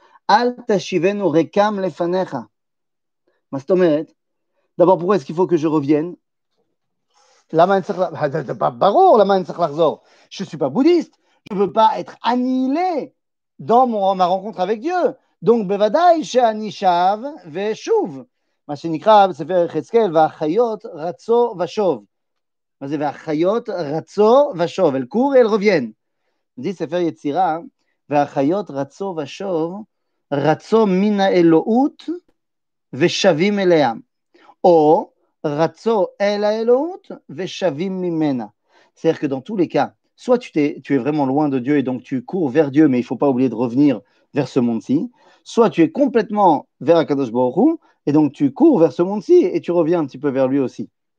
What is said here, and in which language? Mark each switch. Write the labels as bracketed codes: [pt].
[he] Al teshivenu rekam lefanecha. Mastomeret. [fr] D'abord, pourquoi est-ce qu'il faut que je revienne? Je ne suis pas bouddhiste. Je ne veux pas être annihilé dans ma rencontre avec Dieu. Donc, [he] bevadai she'anishav ve'shuv. מה שנקרא בספר חזקאל, והחיות רצו ושוב. מה זה? והחיות רצו ושוב. [fr] אל קור אל רוויין. [he] זה ספר יצירה, והחיות רצו ושוב, רצו מן האלוהות ושבים אליה. או רצו אל האלוהות ושבים ממנה. [fr] C'est-à-dire que dans tous les cas, soit tu es vraiment loin de Dieu et donc tu cours vers Dieu, mais il ne faut pas oublier de revenir vers ce monde-ci, soit tu es complètement vers Akadosh Baruch Hu, et donc tu cours vers ce monde-ci et tu reviens un petit peu vers lui aussi.